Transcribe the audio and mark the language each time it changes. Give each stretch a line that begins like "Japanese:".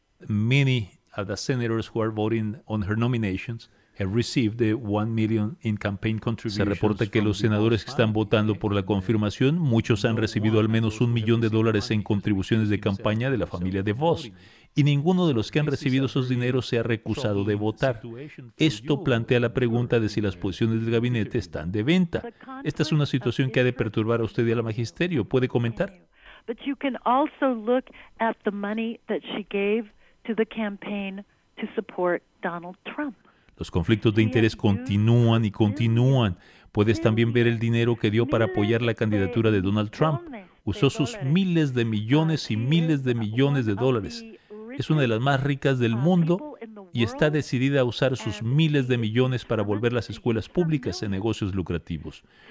English: Many of the senators who are voting on her nominations have received the $1 million in campaign contributions.
Spanish: Se reporta que los senadores que están votando por la confirmación, muchos han recibido al menos $1 million en contribuciones de campaña de la familia DeVos, y ninguno de los que han recibido esos dineros se ha recusado de votar. Esto plantea la pregunta de si las posiciones del gabinete están de venta. Esta es una situación que ha de perturbar a usted y al magisterio. ¿Puede comentar?
English: But you can also look at the money that she gave to the campaign to support Donald Trump.
Spanish: Los conflictos de interés continúan y continúan. Puedes también ver el dinero que dio para apoyar la candidatura de Donald Trump. Usó sus miles de millones y miles de millones de dólares. Es una de las más ricas del mundo y está decidida a usar sus miles de millones para volver las escuelas públicas en negocios lucrativos.